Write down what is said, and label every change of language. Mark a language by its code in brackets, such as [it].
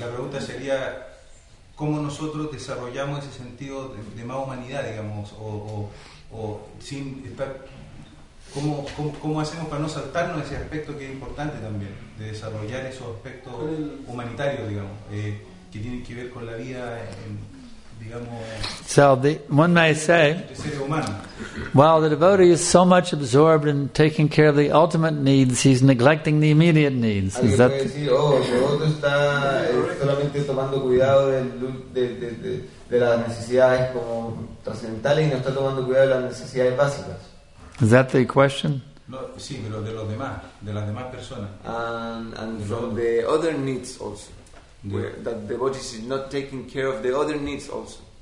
[es] La pregunta sería, cómo nosotros desarrollamos ese sentido de más humanidad, digamos, o sin estar, cómo hacemos para no saltarnos ese aspecto que es importante también, de desarrollar esos aspectos humanitarios, digamos, que tienen que ver con la vida, digamos. [en] So one may say, while the devotee is so much absorbed in taking care of the ultimate needs, he's neglecting the immediate needs. Is that? Is that the question? [es] Sí, pero de los demás, de las demás personas. [en] And from the other needs also. That the devotee is not taking care of the other needs also.